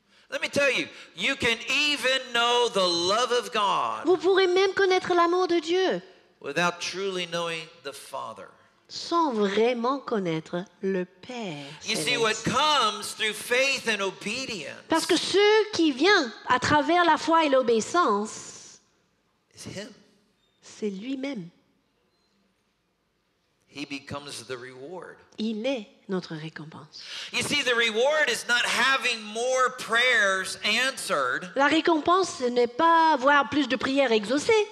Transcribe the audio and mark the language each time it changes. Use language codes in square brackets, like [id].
[en] Let me tell you, you can even know the love of God. [fr] Vous pourrez même connaître l'amour de Dieu. [en] Without truly knowing the Father. [fr] Sans vraiment connaître le Père. [en] You see, what comes through faith and obedience. [fr] Parce que ce qui vient à travers la foi et l'obéissance. [en] Is Him. [fr] C'est lui-même. [en] He becomes the reward. [fr] Il est notre récompense. [en] You see, the reward is not having more prayers answered. [fr] La récompense ce n'est pas avoir plus de prières exaucées.